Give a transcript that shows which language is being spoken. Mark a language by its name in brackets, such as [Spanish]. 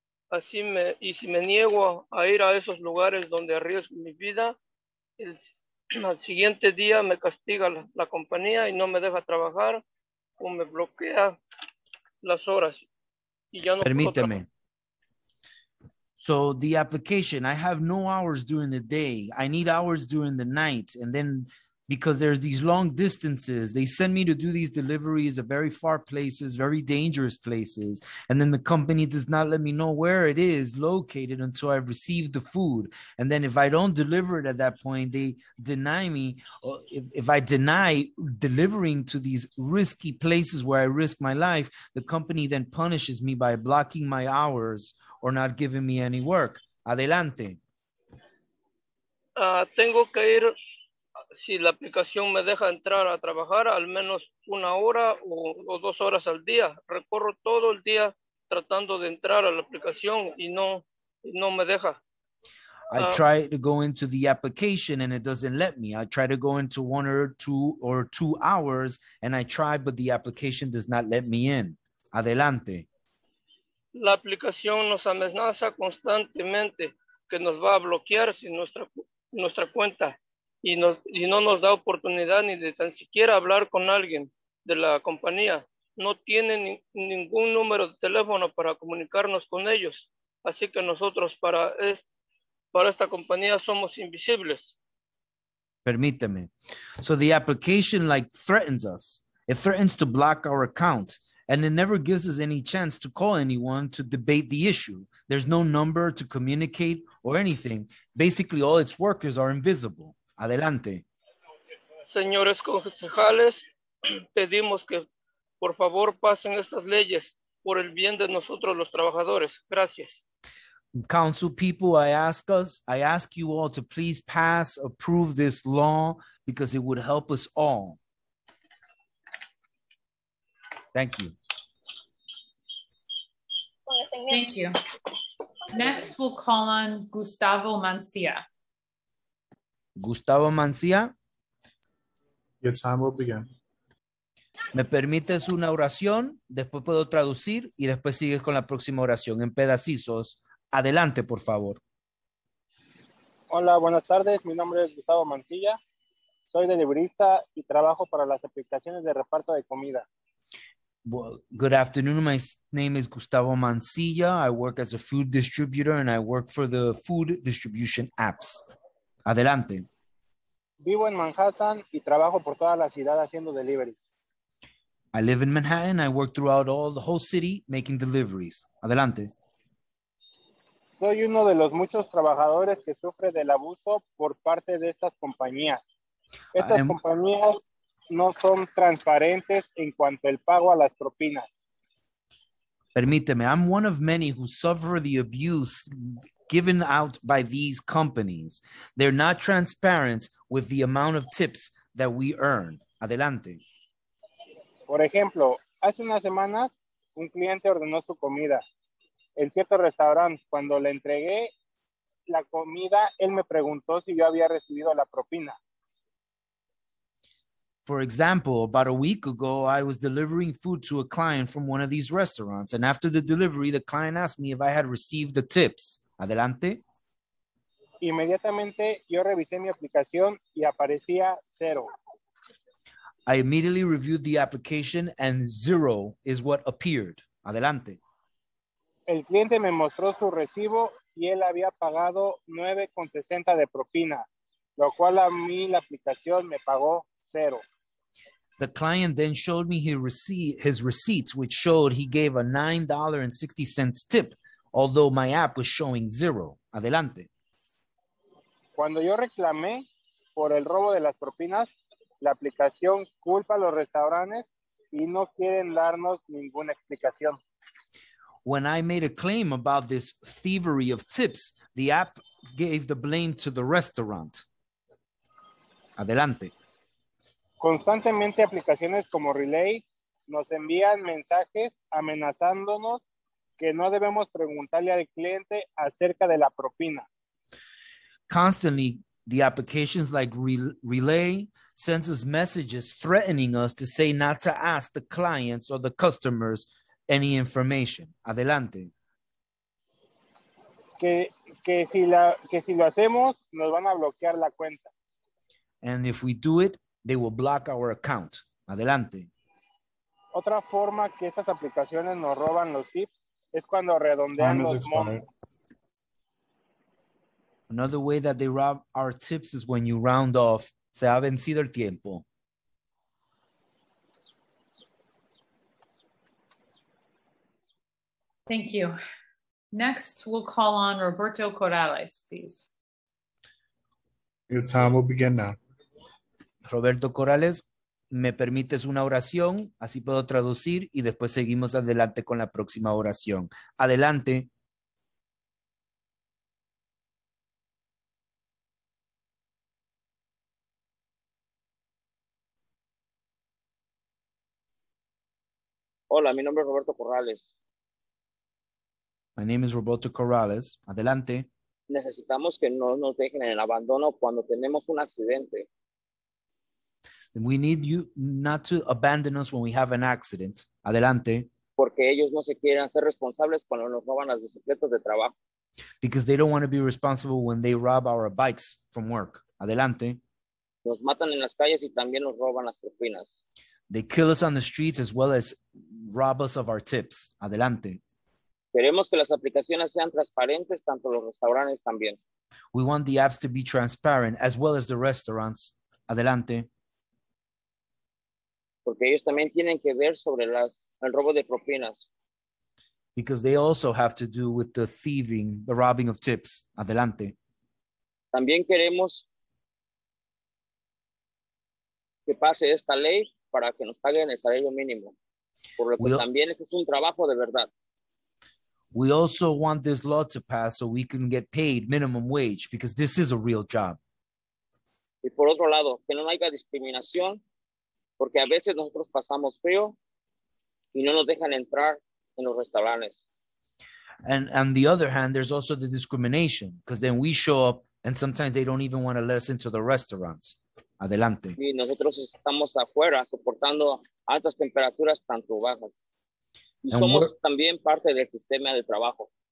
[Spanish] Así me, y si me niego a ir a esos lugares donde arriesgo mi vida, al siguiente día me castiga la compañía y no me deja trabajar o me bloquea las horas y ya no. Permíteme. [English] So the application, I have no hours during the day. I need hours during the night. And then because there's these long distances, they send me to do these deliveries of very far places, very dangerous places. And then the company does not let me know where it is located until I've received the food. And then if I don't deliver it at that point, they deny me. If I deny delivering to these risky places where I risk my life, the company then punishes me by blocking my hours or not giving me any work. [Spanish] Adelante. Tengo que ir... si la aplicación me deja entrar a trabajar al menos una hora o 2 horas al día. Recorro todo el día tratando de entrar a la aplicación y no me deja. [English] I try to go into the application and it doesn't let me. I try to go into 1 or 2 hours and I try, but the application does not let me in. [Spanish] Adelante. La aplicación nos amenaza constantemente que nos va a bloquear sin nuestra cuenta. Y no nos da oportunidad ni de tan siquiera hablar con alguien de la compañía. No tiene ningún número de teléfono para comunicarnos con ellos. Así que nosotros para esta compañía somos invisibles. Permíteme. [English] So the application like threatens us. It threatens to block our account. And it never gives us any chance to call anyone to debate the issue. There's no number to communicate or anything. Basically, all its workers are invisible. [Spanish] Adelante. Señores concejales, pedimos que por favor pasen estas leyes por el bien de nosotros los trabajadores. Gracias. [English] Council people, I ask you all to please pass, approve this law because it would help us all. Thank you. Thank you. Next we'll call on Gustavo Mancia. Gustavo Mancia. Your time will begin. [Spanish] ¿Me permites una oración? Después puedo traducir y después sigues con la próxima oración en pedacitos. Adelante, por favor. Hola, buenas tardes. Mi nombre es Gustavo Mancilla. Soy deliverista y trabajo para las aplicaciones de reparto de comida. [English] Well, good afternoon. My name is Gustavo Mancilla. I work as a food distributor and I work for the food distribution apps. [Spanish] Adelante. Vivo en Manhattan y trabajo por toda la ciudad haciendo deliveries. [English] I live in Manhattan. I work throughout the whole city making deliveries. [Spanish] Adelante. Soy uno de los muchos trabajadores que sufre del abuso por parte de estas compañías. Estas compañías no son transparentes en cuanto al pago a las propinas. Permíteme, [English] I'm one of many who suffer the abuse given out by these companies. They're not transparent with the amount of tips that we earn. [Spanish] Adelante. Por ejemplo, hace unas semanas un cliente ordenó su comida en cierto restaurante. Cuando le entregué la comida, él me preguntó si yo había recibido la propina. [English] For example, about a week ago, I was delivering food to a client from one of these restaurants, and after the delivery, the client asked me if I had received the tips. [Spanish] Adelante. Inmediatamente, yo revisé mi aplicación y aparecía cero. [English] I immediately reviewed the application, and zero is what appeared. [Spanish] Adelante. El cliente me mostró su recibo y él había pagado 9.60 de propina, lo cual a mí la aplicación me pagó cero. [English] The client then showed me his receipts, which showed he gave a $9.60 tip, although my app was showing zero. [Spanish] Adelante. Cuando yo reclamé por el robo de las propinas, la aplicación culpa a los restaurantes y no quieren darnos ninguna explicación. [English] When I made a claim about this thievery of tips, the app gave the blame to the restaurant. [Spanish] Adelante. Constantemente aplicaciones como Relay nos envían mensajes amenazándonos que no debemos preguntarle al cliente acerca de la propina. [English] Constantly, the applications like Relay sends us messages threatening us to say not to ask the clients or the customers any information. [Spanish] Adelante. Que si lo hacemos, nos van a bloquear la cuenta. [English] And if we do it, they will block our account. [Spanish] Adelante. Otra forma que estas aplicaciones nos roban los tips es cuando redondean los monos. [English] Another way that they rob our tips is when you round off. [Spanish] Se ha vencido el tiempo. [English] Thank you. Next, we'll call on Roberto Corrales, please. Your time will begin now. [Spanish] Roberto Corrales, me permites una oración, así puedo traducir y después seguimos adelante con la próxima oración. Adelante. Hola, mi nombre es Roberto Corrales. [English] My name is Roberto Corrales. [Spanish] Adelante. Necesitamos que no nos dejen en el abandono cuando tenemos un accidente. [English] We need you not to abandon us when we have an accident. [Spanish] Adelante. Porque ellos no se quieren hacer responsables cuando nos roban las bicicletas de trabajo. [English] Because they don't want to be responsible when they rob our bikes from work. [Spanish] Adelante. Nos matan en las calles y también nos roban las propinas. [English] They kill us on the streets as well as rob us of our tips. [Spanish] Adelante. Queremos que las aplicaciones sean transparentes, tanto los restaurantes también. [English] We want the apps to be transparent as well as the restaurants. [Spanish] Adelante. Porque ellos también tienen que ver sobre el robo de propinas. [English] Because they also have to do with the thieving, the robbing of tips. [Spanish] Adelante. También queremos que pase esta ley para que nos paguen el salario mínimo. Por lo que también este es un trabajo de verdad. [English] We also want this law to pass so we can get paid minimum wage because this is a real job. [Spanish] Y por otro lado, que no haya discriminación porque a veces nosotros pasamos frío y no nos dejan entrar en los restaurantes. [English] And on the other hand, there's also the discrimination because then we show up and sometimes they don't even want to let us into the restaurants. [Spanish] Adelante. Y nosotros estamos afuera soportando altas temperaturas tanto bajas. Y somos también parte del sistema de trabajo.